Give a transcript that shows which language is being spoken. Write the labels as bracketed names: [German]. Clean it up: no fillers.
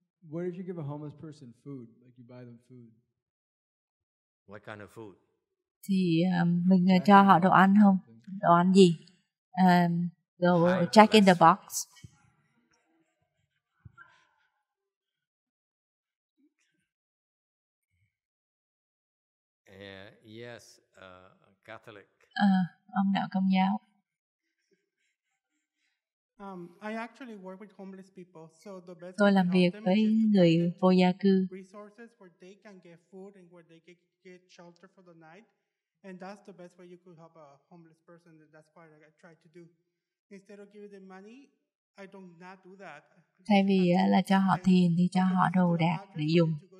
[English] What if you give a homeless person food, like you buy them food? What kind of food? [Vietnamese] Thì mình cho họ đồ ăn không? Đồ ăn gì? Đồ Jack in the Box. [English] Yes, Catholic. [Vietnamese] Ông đạo Công giáo. [English] I actually work with homeless people, so the best. [Vietnamese] Tôi làm việc với người vô gia cư. [English] Resources where they can get food and where they can get shelter for the night, and that's the best way you could help a homeless person. And that's why I try to do. Instead of giving them money, I do not do that. [Vietnamese] Thay vì là cho họ tiền thì cho họ đồ đạc để dùng.